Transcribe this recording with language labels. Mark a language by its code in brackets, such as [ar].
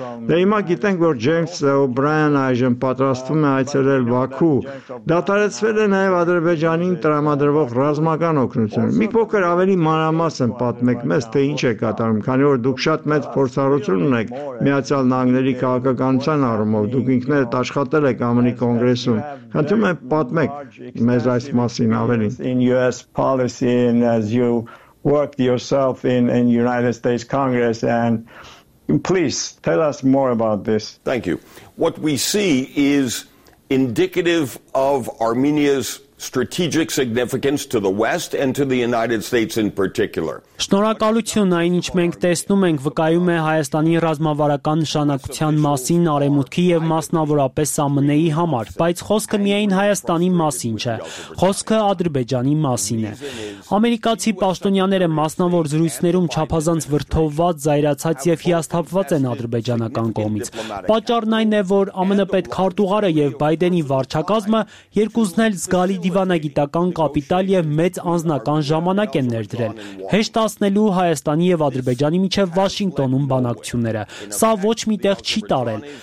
[hy] Դե հիմա գիտենք, որ Ջեյմս Օ'Բրայանը այժմ պատրաստվում է այցելել Բաքու։ Դատարացվել է նաև Ադրբեջանին տրամադրվող ռազմական օգնություն։ Մի փոքր ավելի մանրամասն պատմեք մեզ, թե ինչ է կատարում, քանի որ դուք շատ մեծ փորձառություն ունեք Միացյալ Նահանգների քաղաքականության առումով, դուք ինքներդ աշխատել եք ԱՄՆ-ի կոնգրեսում, խնդրում եմ պատմեք մեզ այս մասին ավելին։ [en] In US policy and as you worked yourself in United States Congress, and please tell us more about this. Thank you. What we see is indicative of Armenia's strategic significance to the West and to the United States in particular. [hy] Շնորհակալություն, այն ինչ մենք տեսնում ենք, վկայում է Հայաստանի ռազմավարական նշանակության մասին արեմուտքի եւ մասնավորապես ԱՄՆ-ի համար, բայց խոսքը միայն Հայաստանի մասին չէ, խոսքը Ադրբեջանի մասին է։ Ամերիկացի պաշտոնյաները մասնավոր զրույցներում չափազանց վրթովված, զայրացած եւ հիասթափված են ադրբեջանական կողմից։ Պատճառն այն է, որ ԱՄՆ պետք քարտուղարը եւ Բայդենի վարչակազմը երկուսն էլ զգալի դիվանագիտական կապիտալ եւ մեծ անձնական ժամանակ են ներդրել։ Տասնելու Հայաստանի եւ Ադրբեջանի միջև Վաշինգտոնում բանակցությունները։ Սա ոչ մի տեղ չի տարել։